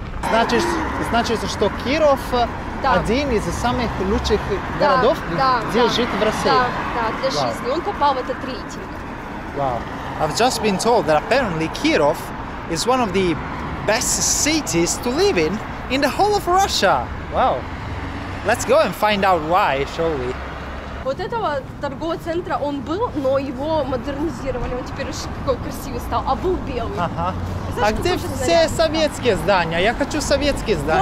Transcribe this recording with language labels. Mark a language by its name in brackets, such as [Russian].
[Russian] Значит, что Киров один из самых лучших городов, где жить в России. Да, да, для жизни. Он попал в этот рейтинг. [English] Wow. I've just been told that apparently Kirov is one of the best cities to live in the whole of Russia. Wow. Let's go and find out why, shall we? [Russian] Вот этого торгового центра он был, но его модернизировали, он теперь уж какой красивый стал, а был белый. Ага. Знаешь, а где все заряд? Советские здания? Я хочу советские здания.